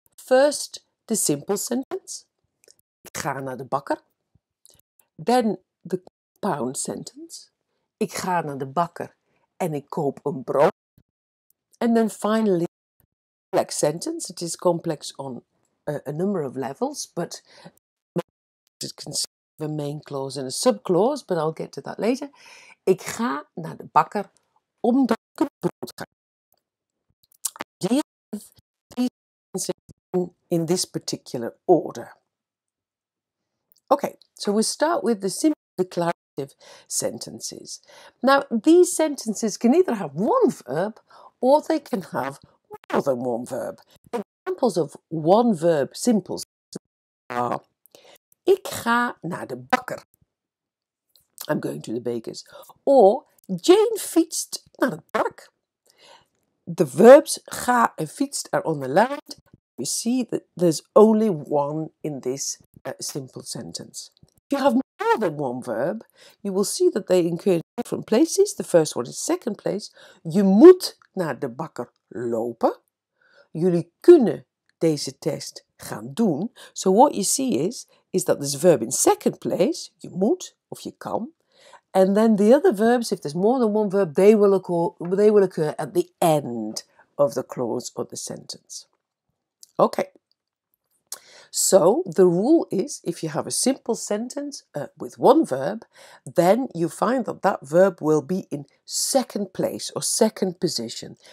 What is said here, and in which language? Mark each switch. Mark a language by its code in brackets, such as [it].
[en] First, the simple sentence, [nl] ik ga naar de bakker. [en] Then the compound sentence, [nl] ik ga naar de bakker en ik koop een brood. [en] And then finally, complex sentence. It is complex on a number of levels, but it consists of a main clause and a subclause, but I'll get to that later. [nl] Ik ga naar de bakker omdat ik een brood ga. [en] In this particular order. Okay, so we'll start with the simple declarative sentences. Now, these sentences can either have one verb or they can have more than one verb. Examples of one verb simple sentences are [nl] ik ga naar de bakker. [en] I'm going to the baker's. Or [nl] Jane fietst naar het park. [en] The verbs ga en fietst are on the left. You see that there's only one in this simple sentence. If you have more than one verb, you will see that they occur in different places. The first one is second place. [nl] Je moet naar de bakker lopen. Jullie kunnen deze test gaan doen. [en] So what you see is that there's a verb in second place, you moet of you kan. And then the other verbs, if there's more than one verb, they will occur at the end of the clause or the sentence. Okay, so the rule is if you have a simple sentence with one verb, then you find that that verb will be in second place or second position.